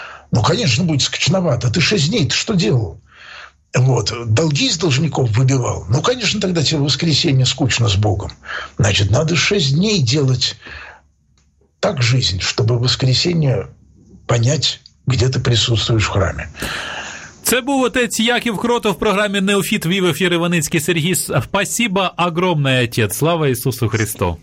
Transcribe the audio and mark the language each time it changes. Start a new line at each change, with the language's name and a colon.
Russian: Ну, конечно, будет скучновато. Ты 6 дней, ты что делал? Вот. Долги из должников выбивал. Ну, конечно, тогда тебе в воскресенье скучно с Богом. Значит, надо 6 дней делать так жизнь, чтобы в воскресенье понять, где ты
Ukrainian: присутствуєш в храмі. Це був отець Яків Кротов в програмі «Неофіт Вів» ефір Іваницький Сергій.
Russian: Спасибо огромное, отец.
Ukrainian: Слава Ісусу Христу.